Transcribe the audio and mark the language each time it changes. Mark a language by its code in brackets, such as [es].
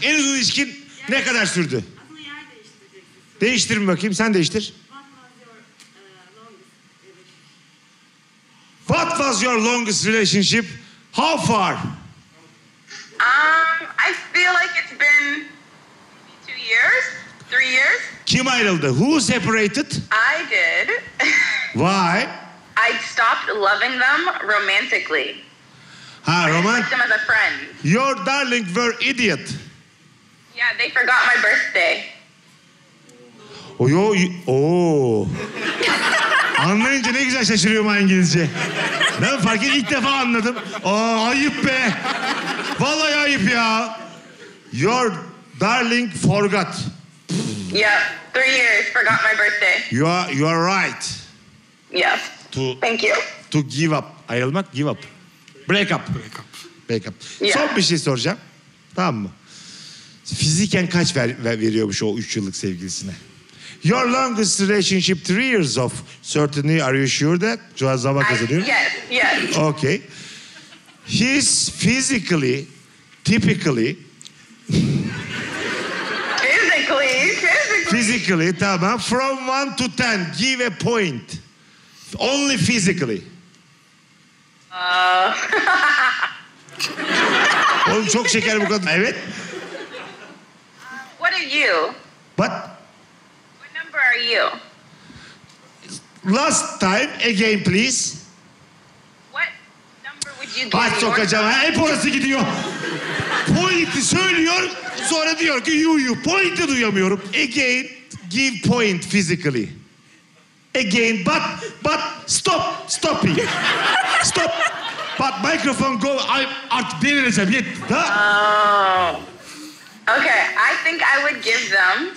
[tr] En uzun ilişkin yer ne kadar sürdü? Aslında yer değiştirecek. Değiştirin bakayım. Sen değiştir. [en] What was your longest was your longest relationship? How far? I feel like it's been 2 years, 3 years. [tr] Kim ayrıldı? [en] Who separated? I did. Why? I stopped loving them romantically. Ha, I liked them as a friend. Your darling were idiot. Yeah, they forgot my birthday. Oh, yo, oh. [tr] Anlayınca ne güzel şaşırıyorum İngilizce. Ben fark ettim, ilk defa anladım. Aa, ayıp be. Vallahi ayıp ya. [en] Your darling forgot. Yeah, 3 years, forgot my birthday. You are right. Yeah. To, thank you. To give up. Ayrılmak, give up. Break up. Break up. Break up. Yeah. [tr] Son bir şey soracağım. Tamam mı? Fiziken kaç veriyormuş o 3 yıllık sevgilisine? [en] Your longest relationship 3 years of. Certainly, are you sure that? [tr] Şu an zaman kazanıyor. [en] Yes. Okay. He's physically, typically... Physically, tamam. From 1 to 10, give a point. Only physically. [tr] Oğlum çok şeker bu kadın. Evet. [en] What are you? What? What number are you? Last time, again please. What number would you give me? [tr] Baş sokacağım. Ha, hep orası gidiyor. Point'i söylüyor, sonra diyor ki yuyu. Point'i duyamıyorum. [en] Again. Give point physically. Again, but stop, stopping. Stop. But microphone go, I'm at dinner, it's a bit. Oh. Okay, I think I would give them.